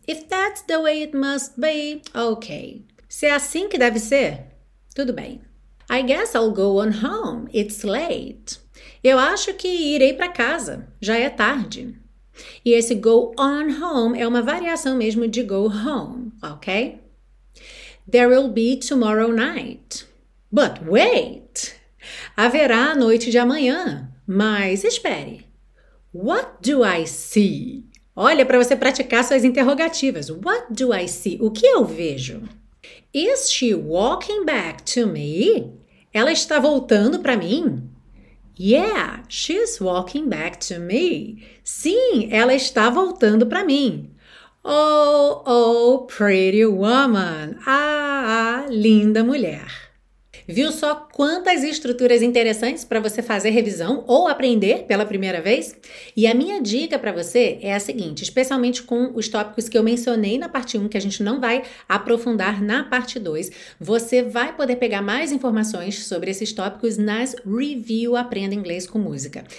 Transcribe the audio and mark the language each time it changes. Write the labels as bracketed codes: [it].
[en] If that's the way it must be, ok. [pt] Se é assim que deve ser, tudo bem. [en] I guess I'll go on home. It's late. [pt] Eu acho que irei para casa. Já é tarde. E esse [en] go on home [pt] é uma variação mesmo de go home, ok? [en] There will be tomorrow night. But wait! [pt] Haverá a noite de amanhã. Mas espere. [en] What do I see? [pt] Olha para você praticar suas interrogativas. [en] What do I see? [pt] O que eu vejo? [en] Is she walking back to me? [pt] Ela está voltando para mim? [en] Yeah, she's walking back to me. [pt] Sim, ela está voltando para mim. [en] Oh, pretty woman. [pt] Ah, linda mulher. Viu só quantas estruturas interessantes para você fazer revisão ou aprender pela primeira vez? E a minha dica para você é a seguinte, especialmente com os tópicos que eu mencionei na parte 1, que a gente não vai aprofundar na parte 2, você vai poder pegar mais informações sobre esses tópicos nas Review Aprenda Inglês com Música.